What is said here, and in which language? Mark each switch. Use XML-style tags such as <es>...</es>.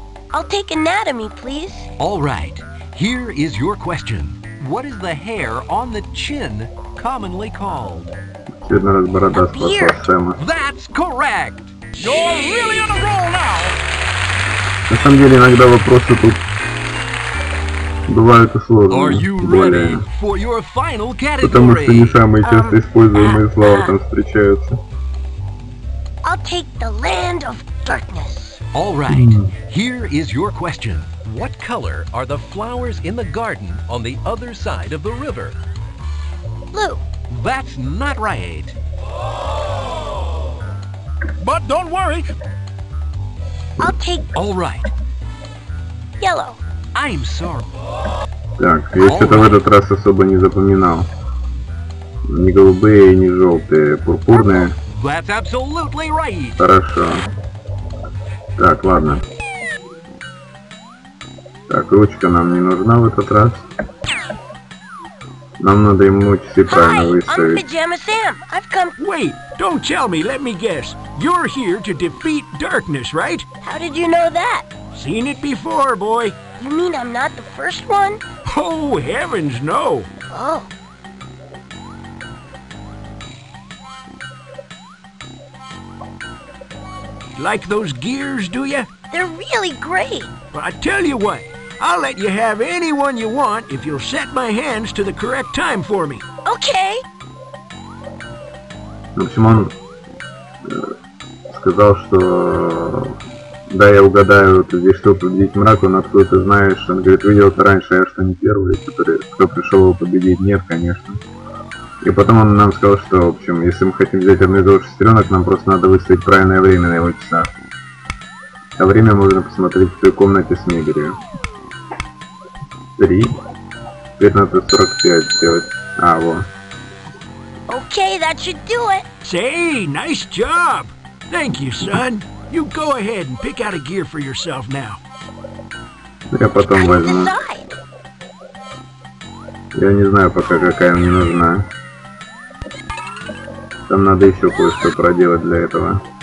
<en>I'll take anatomy, please. All right. Here is your question. What is the hair on the chin commonly called? That's correct. You're really on a roll now.</en> <ru>На самом деле, иногда вопросы тут бывают сложные.</ru> <en>Are you ready for your final category?</en> <ru>Потому что не самые часто используемые слова там встречаются.</ru> <en>I'll take the land of darkness. All right. Here is your question. What color are the flowers in the garden on the other side of the river? Blue. That's not right. But don't worry. I'll take... All right. Yellow. I'm sorry.</en> <ru>Так, я что-то в этот раз особо не запоминал. Ни голубые, ни желтые, пурпурные.</ru> <en>That's absolutely right.</en> <ru>Хорошо. Так, ладно. Так, ручка нам не нужна в этот раз. Нам надо ему часы правильно выставить.</ru> <en>Hi, I'm Pajama Sam. I've come... Wait, don't tell me, let me guess. You're here to defeat darkness, right? How did you know that? Seen it before, boy. You mean I'm not the first one? Oh, heavens no. Oh. Like those gears, do you? They're really great. But I tell you what, I'll let you have any one you want if you'll set my hands to the correct time for me. Okay.</en> <ru>В общем, он сказал, что да, я угадаю, ты здесь что победить мрак, он откуда-то знаешь. Он говорит, видел это раньше, я что не первый, кто пришел его победить? Нет, конечно. И потом он нам сказал, что, в общем, если мы хотим взять одну из двух сестренок, нам просто надо выставить правильное время на его часах. А время можно посмотреть в той комнате с мебелью. 3. 15:45 сделать. А, вот.</ru> <en>Okay, that should do it. Say, nice job. Thank you, son. You go ahead and pick out a gear for yourself now.</en> <ru>Я потом возьму. Я не знаю пока, какая мне нужна. Там надо еще кое-что проделать для этого.</ru>